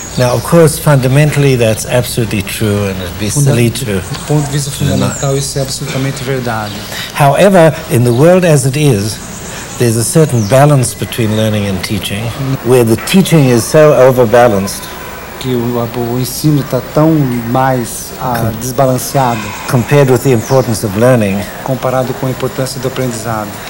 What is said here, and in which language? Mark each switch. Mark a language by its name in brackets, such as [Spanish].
[English] Now, of course, fundamentally, that's absolutely true, and it'd be silly to... [Portuguese] Do ponto de vista fundamental, isso é absolutamente verdade. [English] However, in the world as it is, there's a certain balance between learning and teaching, where the teaching is so overbalanced... [Portuguese] Que o ensino está tão mais desbalanceado [English] compared with the importance of learning, [Portuguese] comparado com a importância do aprendizado,